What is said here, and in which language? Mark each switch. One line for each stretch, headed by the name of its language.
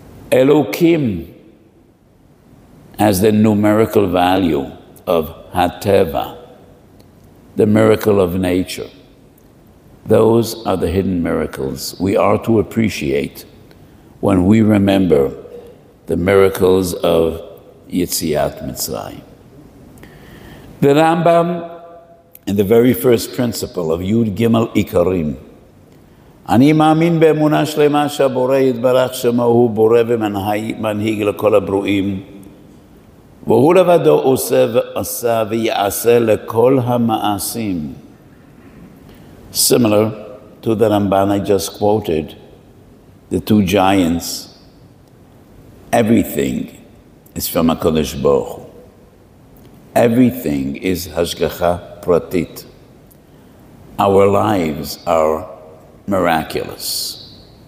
English: Elokim has the numerical value of Hateva, the miracle of nature. Those are the hidden miracles we are to appreciate when we remember the miracles of Yetziat Mitzrayim.
Hebrew: The Rambam, in the very first principle of Yud Gimel Ikarim, אני מאמין באמונה שלמה שהבורא יתברך שמו הוא בורא ומנהיג לכל הברואים, והוא לבדו עושה ועשה ויעשה לכל המעשים.
English: Similar to the Ramban I just quoted, the two giants, everything is from HaKadosh Baruch Hu. Everything is Hashgacha Pratit. Our lives are miraculous.